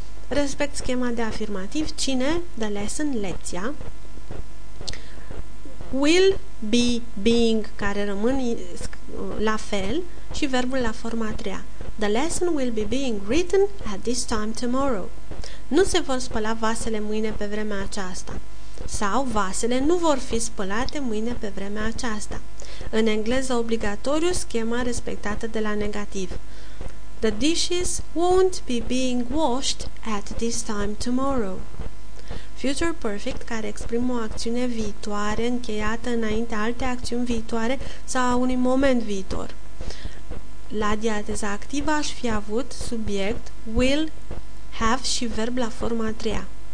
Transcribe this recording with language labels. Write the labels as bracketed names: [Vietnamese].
[Romanian] Respect schema de afirmativ, cine, [English] the lesson, [Romanian] lecția, [English] will be being, [Romanian] care rămân la fel, și verbul la forma a treia. [English] The lesson will be being written at this time tomorrow. [Romanian] Nu se vor spăla vasele mâine pe vremea aceasta. sau vasele nu vor fi spălate mâine pe vremea aceasta. În engleză obligatoriu schema respectată de la negativ. [English] The dishes won't be being washed at this time tomorrow. [Romanian] Future perfect, care exprimă o acțiune viitoare încheiată înainte alte acțiuni viitoare sau a unui moment viitor. La diateza activă aș fi avut subiect, will, have și verb la forma a treia.